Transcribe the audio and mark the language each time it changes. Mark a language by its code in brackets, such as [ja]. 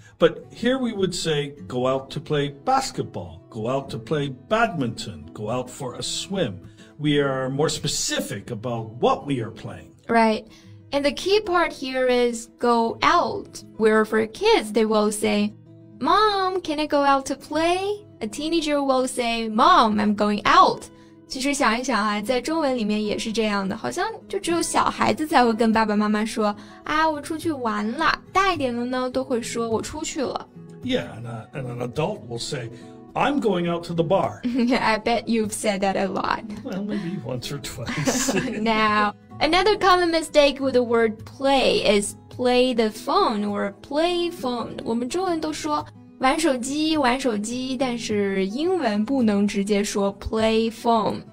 [en] But here we would say, go out to play basketball, go out to play badminton, go out for a swim. We are more specific about what we are playing. Right. And the key part here is go out. Where for kids, they will say, Mom, can I go out to play? A teenager will say, Mom, I'm going out. [zh] 其实想一想啊，在中文里面也是这样的，好像就只有小孩子才会跟爸爸妈妈说啊，我出去玩了。大一点的呢，都会说我出去了。 [en] Yeah, and an adult will say, I'm going out to the bar. I bet you've said that a lot. Well, maybe once or twice. Now, another common mistake with the word play is play the phone or play phone. [zh] 我们中文都说玩手机，玩手机，但是英文不能直接说 play phone.